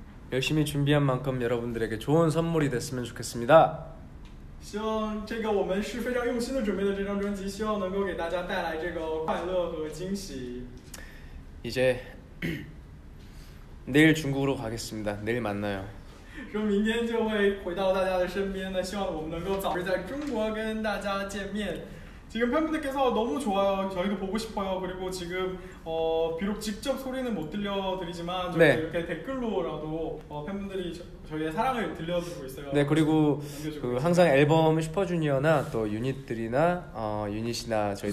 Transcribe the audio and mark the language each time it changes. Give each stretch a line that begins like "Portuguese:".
Korean: 열심히 준비한 만큼 여러분들에게 좋은 선물이 됐으면 좋겠습니다.
Chinese: 希望这个我们是非常用心的准备的这张专辑，希望能够给大家带来这个快乐和惊喜。
Korean: 이제 내일 중국으로 가겠습니다. 내일 만나요.
Chinese: 그럼明天就会回到大家的身边。那希望我们能够早日在中国跟大家见面。
Korean: 지금 팬분들께서 너무 좋아요. 저희도 보고 싶어요. 그리고 지금 비록 직접 소리는 못 들려드리지만 저희 네. 이렇게 댓글로라도 팬분들이 저희의 사랑을 들려주고 있어요. 네, 그리고 그 항상 앨범 슈퍼주니어나 또 유닛들이나 유닛이나 저희